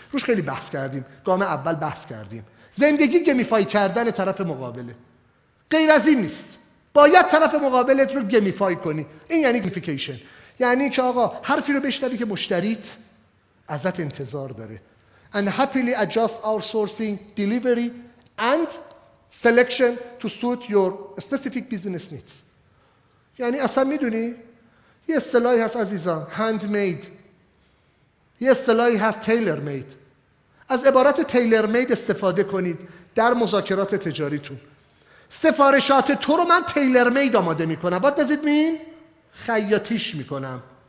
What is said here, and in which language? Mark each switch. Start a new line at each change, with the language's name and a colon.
Persian: روش خیلی بحث کردیم، گام اول بحث کردیم. زندگی گیمیفای کردن طرف مقابله، غیر از این نیست. باید طرف مقابلت رو گیمیفای کنی. این یعنی گیمیفیکیشن، یعنی که آقا حرفی رو بشنوی که مشتریت ازت انتظار داره.
English: And happily adjust our sourcing, delivery and selection to suit your specific business needs.
Persian: یعنی اصلا میدونی؟ یه اصطلاحی هست عزیزان، هند مید. یه اصطلاحی هست تیلر مید. از عبارت تیلر مید استفاده کنید در مذاکرات تجاریتون. سفارشات تو رو من تیلر مید آماده میکنم. باید بذید مین؟ خیاطیش میکنم.